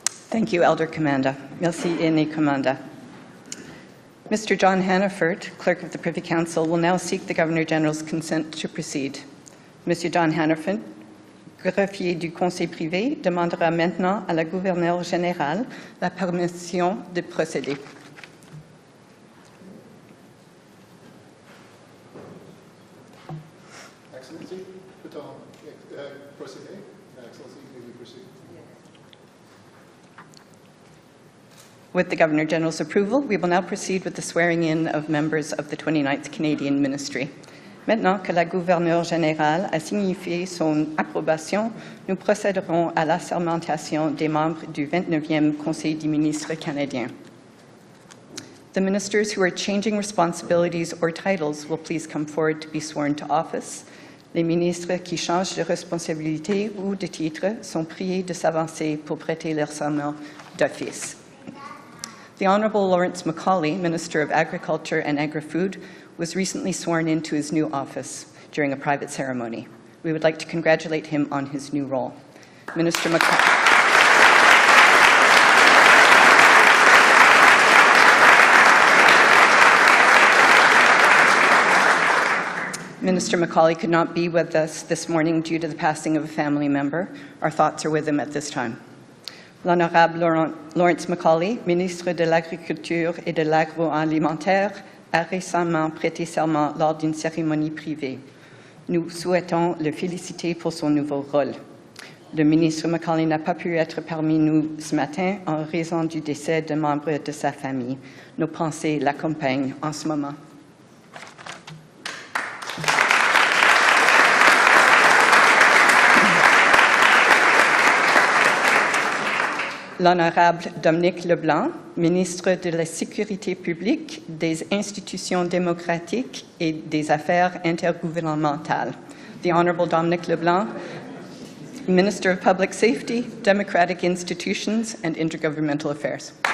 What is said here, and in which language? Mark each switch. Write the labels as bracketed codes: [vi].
[en] Thank you, Elder Commanda. [fr] Merci, Aîné Commanda. [en] Mr. John Hannaford, Clerk of the Privy Council, will now seek the Governor General's consent to proceed. Mr. John Hannaford, [fr] greffier du conseil privé demandera maintenant à la gouverneure générale la permission de procéder. [en] With the Governor General's approval, we will now proceed with the swearing-in of members of the 29th Canadian Ministry. [fr] Maintenant que la gouverneure générale a signifié son approbation, nous procéderons à l'assermentation des membres du 29e Conseil des ministres canadiens. [en] The ministers who are changing responsibilities or titles will please come forward to be sworn to office. [fr] Les ministres qui changent de responsabilité ou de titre sont priés de s'avancer pour prêter leur serment d'office. [en] The Honourable Lawrence Macaulay, Minister of Agriculture and Agri-Food, was recently sworn into his new office during a private ceremony. We would like to congratulate him on his new role. Minister Macaulay. Minister Macaulay could not be with us this morning due to the passing of a family member. Our thoughts are with him at this time. [fr] L'honorable Lawrence Macaulay, ministre de l'Agriculture et de l'Agroalimentaire, a récemment prêté serment lors d'une cérémonie privée. Nous souhaitons le féliciter pour son nouveau rôle. Le ministre Macaulay n'a pas pu être parmi nous ce matin en raison du décès d'un membre de sa famille. Nos pensées l'accompagnent en ce moment. L'honorable Dominique Leblanc, ministre de la Sécurité publique, des Institutions démocratiques et des Affaires intergouvernementales. [en] The Honorable Dominique Leblanc, Minister of Public Safety, Democratic Institutions and Intergovernmental Affairs.